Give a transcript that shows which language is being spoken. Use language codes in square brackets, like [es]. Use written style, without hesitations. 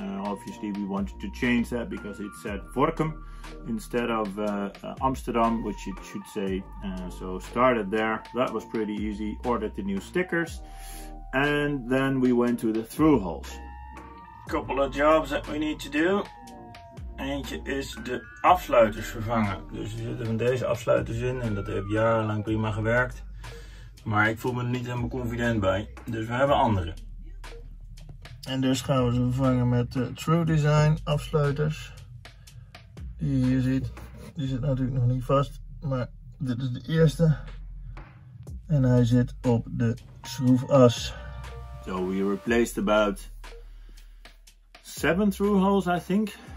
[en] Obviously we wanted to change that because it said Vorkum instead of Amsterdam, which it should say, so started there. That was pretty easy. Ordered the new stickers, and then we went to the through holes. Couple of jobs that we need to do. [nl] Eentje is de afsluiters vervangen. Dus er zitten van deze afsluiters in en dat heeft jarenlang prima gewerkt. Maar ik voel me er niet helemaal confident bij. Dus we hebben andere. En dus gaan we ze vervangen met de True Design afsluiters. Die je hier ziet. Die zit natuurlijk nog niet vast. Maar dit is de eerste. En hij zit op de schroefas. [en] So we replaced about 7 through holes, I think.